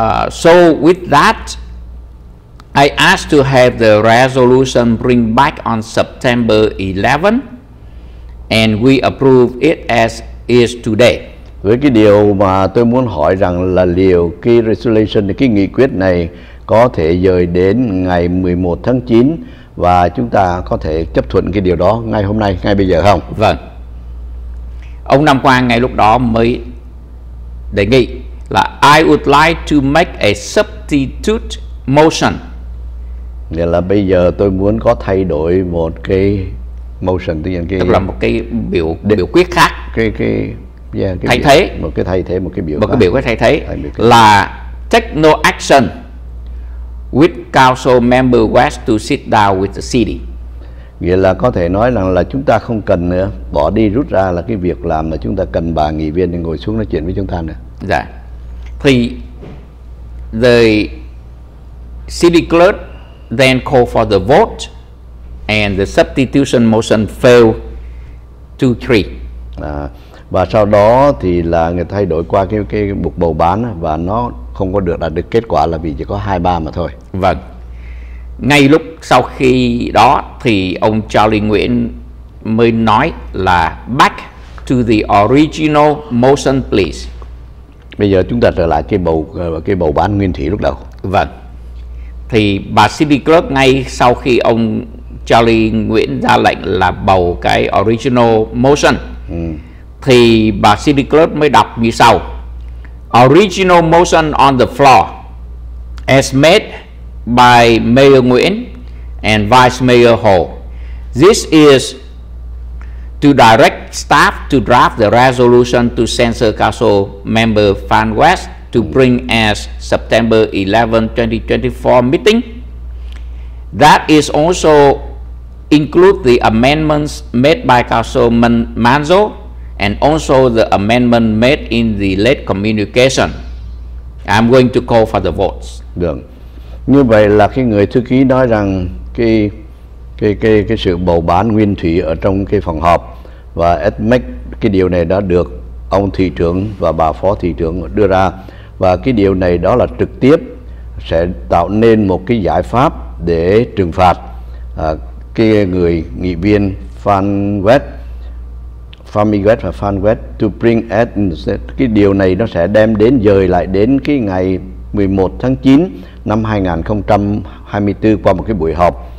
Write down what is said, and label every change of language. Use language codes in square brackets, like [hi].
[en] So with that, I asked to have the resolution bring back on September 11 and we approve it as is today. [vi] Với cái điều mà tôi muốn hỏi rằng là liệu cái resolution, cái nghị quyết này có thể dời đến ngày 11 tháng 9 và chúng ta có thể chấp thuận cái điều đó ngay hôm nay, ngay bây giờ không? Vâng. Ông Nam Quang ngay lúc đó mới đề nghị là [en] I would like to make a substitute motion. [vi] Nghĩa là bây giờ tôi muốn có thay đổi một cái motion, tức là một cái biểu quyết khác. Một cái biểu quyết thay thế. [en] Là take no action with council member West to sit down with the city. [vi] Nghĩa là có thể nói rằng là chúng ta không cần nữa, bỏ đi rút ra là cái việc làm mà chúng ta cần bà nghị viên để ngồi xuống nói chuyện với chúng ta nữa. Dạ. [en] Thì the city clerk then called for the vote and the substitution motion failed 2-3. [vi] Và sau đó thì là người thay đổi qua cái buộc bầu bán và nó không có được đạt được kết quả là vì chỉ có 2-3 mà thôi. Vâng. Ngay lúc sau khi đó thì ông Charlie Nguyễn mới nói là back to the original motion please. Bây giờ chúng ta trở lại cái bầu bán nguyên thủy lúc đầu. Vâng. Thì bà City Clerk ngay sau khi ông Charlie Nguyễn ra lệnh là bầu cái original motion. Thì bà City Clerk mới đọc như sau. [en] Original motion on the floor as made by Mayor Nguyễn and Vice Mayor Hồ. This is to direct staff to draft the resolution to censor council member Phan West to bring as September 11, 2024 meeting. That is also include the amendments made by Councilman Manzo and also the amendment made in the late communication. I'm going to call for the votes. [vi] Được. Như vậy là cái người thư ký nói rằng cái sự bầu bán nguyên thủy ở trong cái phòng họp và make cái điều này đã được ông thị trưởng và bà phó thị trưởng đưa ra. Và cái điều này đó là trực tiếp sẽ tạo nên một cái giải pháp để trừng phạt cái người nghị viên Phan Quét, Phan Minh Quét và Phan Quét, [en] to bring at, [vi] cái điều này nó sẽ đem đến dời lại đến cái ngày 11 tháng 9 năm 2024 qua một cái buổi họp.